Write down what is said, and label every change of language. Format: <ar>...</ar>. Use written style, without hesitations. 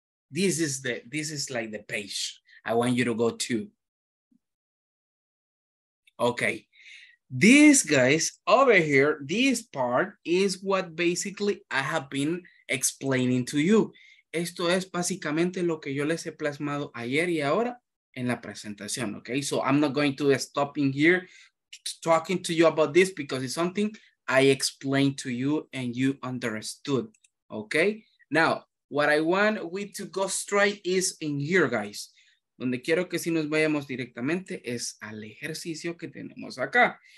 <en>This is like the page I want you to go to. Okay, these guys over here, this part is what basically I have been explaining to you.</en> <es>Esto es básicamente lo que yo les he plasmado ayer y ahora en la presentación, okay?</es> <en>So I'm not going to stop in here talking to you about this because it's something I explained to you and you understood, okay? Now, what I want we to go straight is in here, guys.</en> <es>Donde quiero que si nos vayamos directamente es al ejercicio que tenemos acá.</es>